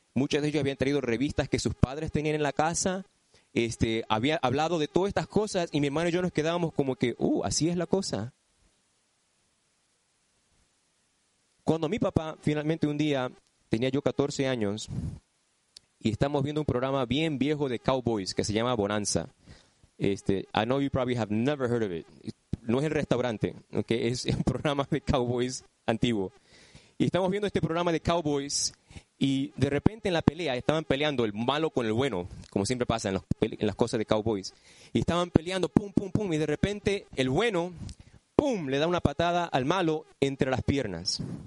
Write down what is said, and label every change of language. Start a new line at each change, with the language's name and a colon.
Spanish: Muchos de ellos habían traído revistas que sus padres tenían en la casa. Había hablado de todas estas cosas y mi hermano y yo nos quedábamos como que, así es la cosa. Cuando mi papá finalmente un día, tenía yo 14 años, y estamos viendo un programa bien viejo de cowboys que se llama Bonanza.
English: I know you probably have never heard of it.
Spanish: No es el restaurante, okay? Es un programa de cowboys antiguo. Y estamos viendo este programa de cowboys y de repente en la pelea, estaban peleando el malo con el bueno, como siempre pasa en las cosas de cowboys. Y estaban peleando, pum, pum, pum, y de repente el bueno, pum, le da una patada al malo entre las piernas.